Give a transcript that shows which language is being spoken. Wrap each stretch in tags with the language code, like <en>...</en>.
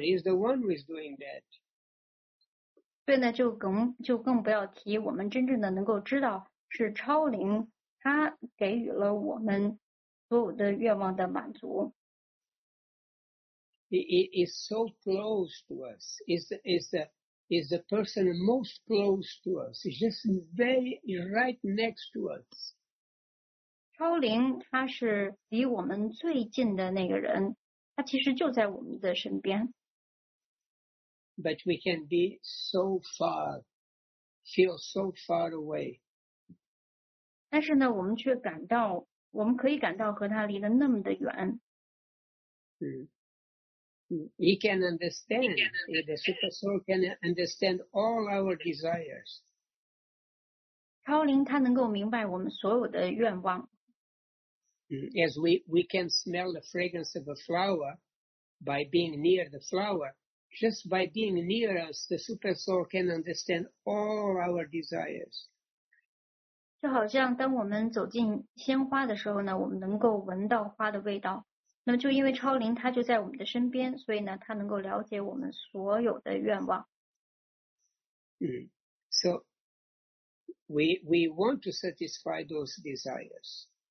<en>He's the one who is doing that.</en> <zh>对呢，就更不要提我们真正的能够知道是超灵，他给予了我们所有的愿望的满足。</zh> <en>It is so close to us. Is the person most close to us. He's just very right next to us.</en> <zh>超灵他是离我们最近的那个人，他其实就在我们的身边。</zh> <en>But we can be so far, feel so far away.</en> <zh>但是呢，我们却感到，我们可以感到和他离得那么的远。</zh> <en>He can understand, the super soul can understand all our desires.</en> <zh>超灵他能够明白我们所有的愿望。</zh> <en>As we can smell the fragrance of a flower by being near the flower, just by being near us, the super soul can understand all our desires.</en> <zh>就好像当我们走进鲜花的时候呢，我们能够闻到花的味道。那么就因为超灵他就在我们的身边，所以呢他能够了解我们所有的愿望。</zh> <en>So we want to satisfy those desires.</en>